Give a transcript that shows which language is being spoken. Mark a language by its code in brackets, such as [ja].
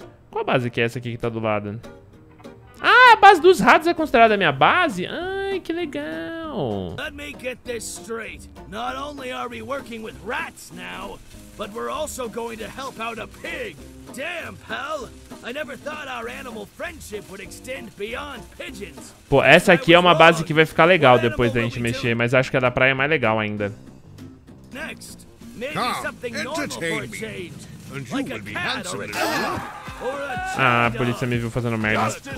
[pt] Qual base que é essa aqui que tá do lado? Ah, a base dos ratos é considerada a minha base? Ai, que legal. [en] Let me get this straight. Not only are we working with rats now, but we're also going to help out a pig. Damn, pal. I never thought our animal friendship would extend beyond pigeons. [pt] Pô, essa aqui é uma base que vai ficar legal depois da gente mexer, mas acho que a da praia é mais legal ainda. [en] Next, maybe something normal for a change. Like a cat or a dog. [pt] Ah, a polícia me viu fazendo merda.